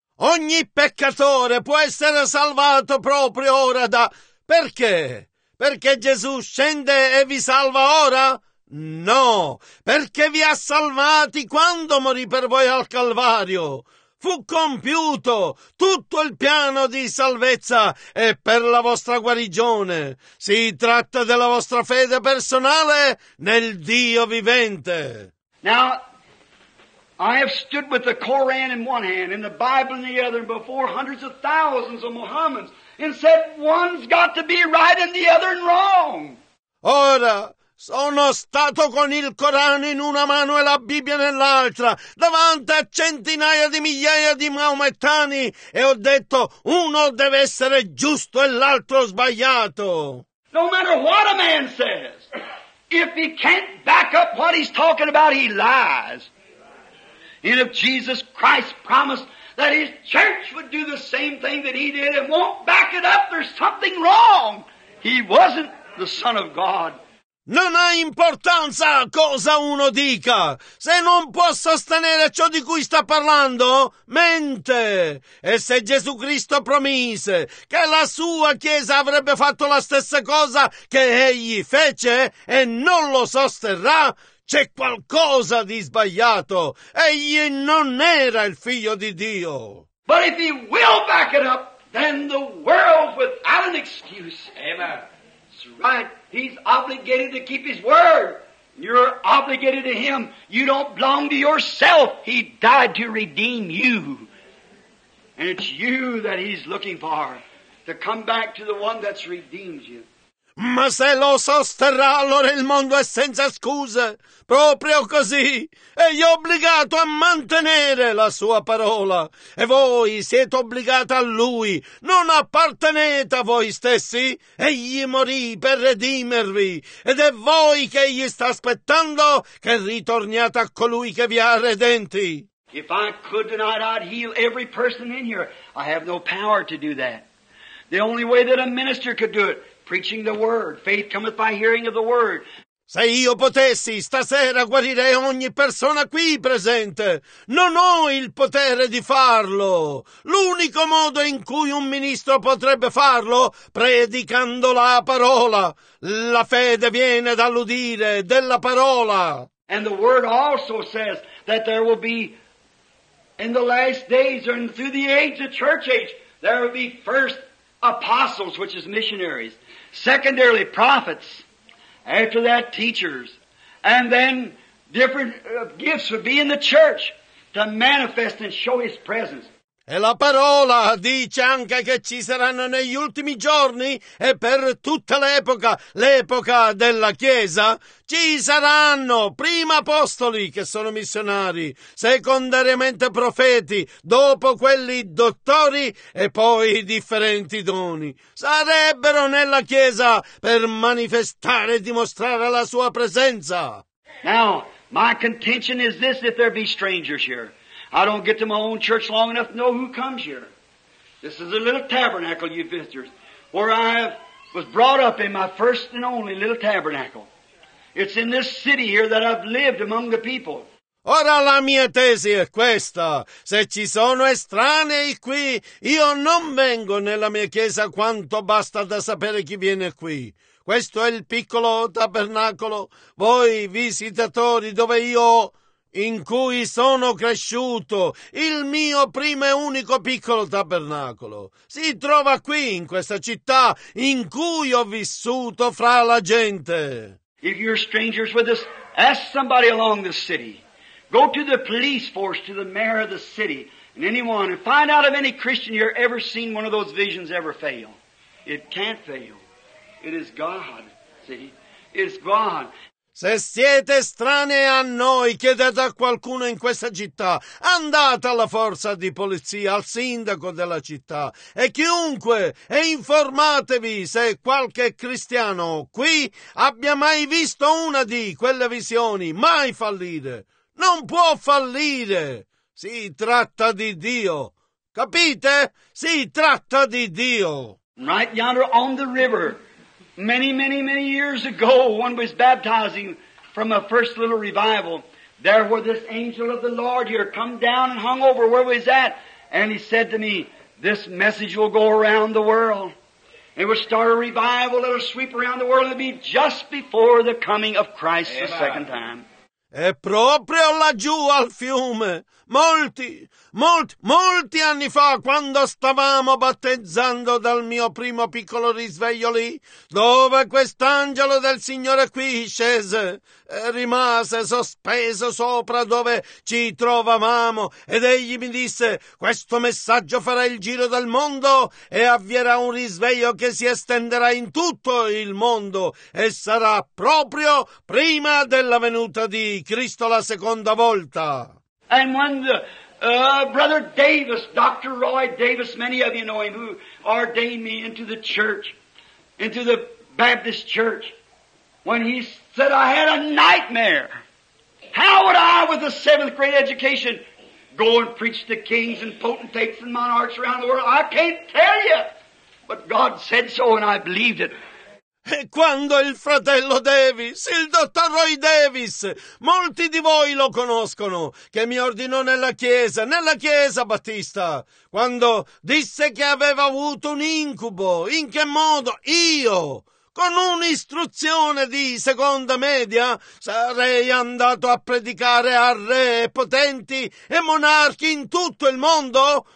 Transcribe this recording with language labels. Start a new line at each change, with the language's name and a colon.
Italian: Ogni peccatore può essere salvato proprio ora da... Perché? Perché Gesù scende e vi salva ora? No, perché vi ha salvati quando morì per voi al Calvario. Fu compiuto tutto il piano di salvezza e per la vostra guarigione. Si tratta della vostra fede personale nel Dio vivente.
English: Now, I have stood with the Koran in one hand and the Bible in the other before hundreds of thousands of Muhammads and said one's got to be right and the other wrong.
Italian: Ora, sono stato con il Corano in una mano e la Bibbia nell'altra, davanti a centinaia di migliaia di maomettani, e ho detto uno deve essere giusto e l'altro sbagliato.
English: No matter what a man says, if he can't back up what he's talking about, he lies. And if Jesus Christ promised that his church would do the same thing that he did and won't back it up, there's something wrong. He wasn't the Son of God.
Italian: Non ha importanza cosa uno dica. Se non può sostenere ciò di cui sta parlando, mente. E se Gesù Cristo promise che la sua Chiesa avrebbe fatto la stessa cosa che egli fece e non lo sosterrà, c'è qualcosa di sbagliato. Egli non era il Figlio di Dio.
English: But if he will back it up, then the world without an excuse. Amen. It's right. He's obligated to keep his word. You're obligated to him. You don't belong to yourself. He died to redeem you. And it's you that he's looking for, to come back to the one that's redeemed you.
Italian: Ma se lo sosterrà, allora il mondo è senza scuse. Proprio così. Egli è obbligato a mantenere la sua parola. E voi siete obbligati a lui. Non appartenete a voi stessi. Egli morì per redimervi. Ed è voi che egli sta aspettando che ritorniate a colui che vi ha redenti.
English: If I could tonight, I'd heal every person in here. I have no power to do that. The only way that a minister could do it. Preaching the word. Faith cometh by hearing of the word.
Italian: Se io potessi, stasera guarirei ogni persona qui presente. Non ho il potere di farlo. L'unico modo in cui un ministro potrebbe farlo, predicando la parola. La fede viene dall'udire della parola.
English: And the word also says that there will be, in the last days, or through the age, the church age, there will be first apostles, which is missionaries. Secondarily, prophets, after that, teachers, and then different gifts would be in the church to manifest and show his presence.
Italian: E la parola dice anche che ci saranno negli ultimi giorni e per tutta l'epoca, l'epoca della Chiesa, ci saranno prima apostoli che sono missionari, secondariamente profeti, dopo quelli dottori e poi differenti doni. Sarebbero nella Chiesa per manifestare e dimostrare la sua presenza.
English: Now, my contention is this, if there be strangers here. I don't get to my own church long enough to know who comes here. This is a little tabernacle, you visitors, where I was brought up in my first and only little tabernacle. It's in this city here that I've lived among the people.
Italian: Ora la mia tesi è questa. Se ci sono estranei qui, io non vengo nella mia chiesa quanto basta da sapere chi viene qui. Questo è il piccolo tabernacolo. Voi visitatori dove io... in cui sono cresciuto, il mio primo e unico piccolo tabernacolo. Si trova qui, in questa città, in cui ho vissuto fra la gente.
English: If you're strangers with us, ask somebody along the city. Go to the police force, to the mayor of the city, and anyone, and find out if any Christian here ever seen one of those visions ever fail. It can't fail. It is God, see? It's God.
Italian: Se siete estranei a noi, chiedete a qualcuno in questa città, andate alla forza di polizia, al sindaco della città, e chiunque, e informatevi se qualche cristiano qui abbia mai visto una di quelle visioni, mai fallire. Non può fallire. Si tratta di Dio. Capite? Si tratta di Dio.
English: Right yonder on the river. Many, many, many years ago, one was baptizing from a first little revival. There was this angel of the Lord here come down and hung over where we was at. And he said to me, this message will go around the world. It would start a revival that would sweep around the world. It would be just before the coming of Christ the second time.
Italian: E proprio laggiù al fiume, molti, molti, molti anni fa, quando stavamo battezzando dal mio primo piccolo risveglio lì, dove quest'angelo del Signore qui scese, rimase sospeso sopra dove ci trovavamo, ed egli mi disse: questo messaggio farà il giro del mondo e avvierà un risveglio che si estenderà in tutto il mondo e sarà proprio prima della venuta di Cristo la seconda volta.
English: And when the Brother Davis, Dr. Roy Davis, many of you know him, who ordained me into the church, into the Baptist church, when he said I had a nightmare. How would I, with a seventh grade education, go and preach to kings and potentates and monarchs around the world? I can't tell you. But God said so, and I believed it.
Italian: E quando il fratello Davis, il dottor Roy Davis, molti di voi lo conoscono, che mi ordinò nella chiesa battista, quando disse che aveva avuto un incubo, in che modo io, con un'istruzione di seconda media, sarei andato a predicare a re e potenti e monarchi in tutto il mondo?